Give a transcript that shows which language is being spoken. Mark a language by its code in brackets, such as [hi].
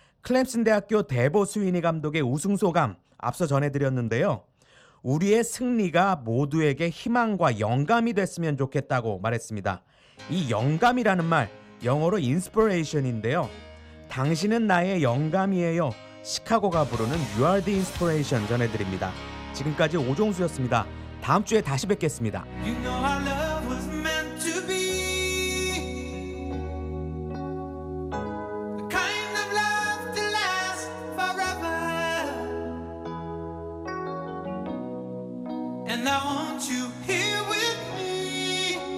[ko] 클렘슨 대학교 데보 스위니 감독의 우승 소감 앞서 전해드렸는데요. 우리의 승리가 모두에게 희망과 영감이 됐으면 좋겠다고 말했습니다. 이 영감이라는 말, 영어로 inspiration인데요. 당신은 나의 영감이에요. 시카고가 부르는 [en] You are the inspiration [ko] 전해드립니다. 지금까지 오종수였습니다. 다음 주에 다시 뵙겠습니다. [en] You know our love was meant to be the kind of love to last forever. And I want you here with me.